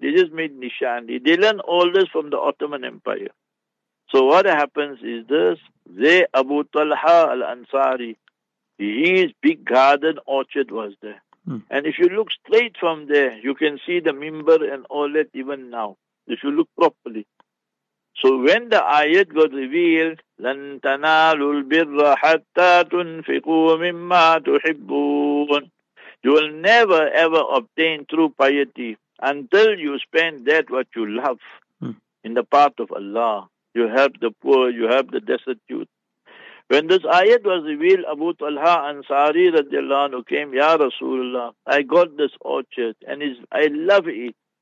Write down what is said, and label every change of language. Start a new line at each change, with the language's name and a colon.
English: They just made nishani. They learned all this from the Ottoman Empire. So what happens is this. Zay Abu Talha al-Ansari. His big garden orchard was there. Hmm. And if you look straight from there, you can see the mimbar and all that even now. If you look properly. So when the ayat got revealed,
Arabic: لَن تَنَالُوا الْبِرَّ حَتَّى تُنْفِقُوا مِمَّا تُحِبُّونَ.
English: You will never ever obtain true piety until you spend that what you love in the path of Allah. You help the poor, you help the destitute. When this ayat was revealed, Abu Talha Ansari radiallahu anhu came, Ya Rasulullah, I got this orchard and I love it.